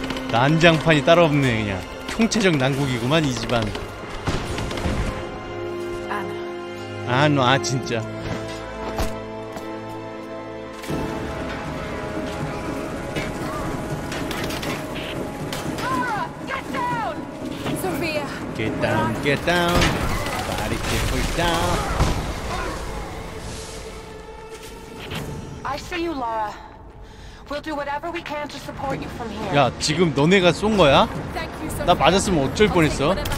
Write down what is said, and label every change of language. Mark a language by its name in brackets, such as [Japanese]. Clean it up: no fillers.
[Korean] 난장판이 따로 없네. 그냥 총체적 난국이구만 이 집안. 아 진짜 [English] Get down get down Body get pulled down. I see you Lara. We'll do whatever we can to support you from here. [Korean] 야 지금 너네가 쏜 거야? 나 맞았으면 어쩔 뻔했어.